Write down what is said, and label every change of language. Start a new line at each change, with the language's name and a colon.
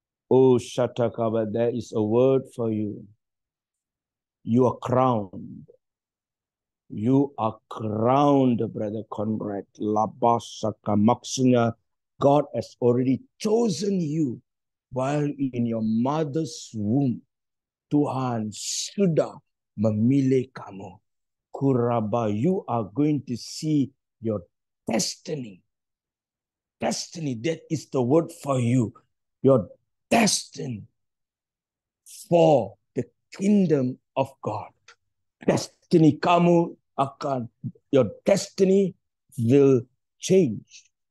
English: Oh, Shatakaba, there is a word for you. You are crowned. You are crowned, Brother Conrad. Labasaka, maksudnya, God has already chosen you while in your mother's womb.
Indonesian: Tuhan sudah memilih kamu. Kuraba,
English: you are going to see your destiny. Destiny, that is the word for you. You're destined for the kingdom of God. Destiny,
Indonesian: kamu akan,
English: your destiny will change.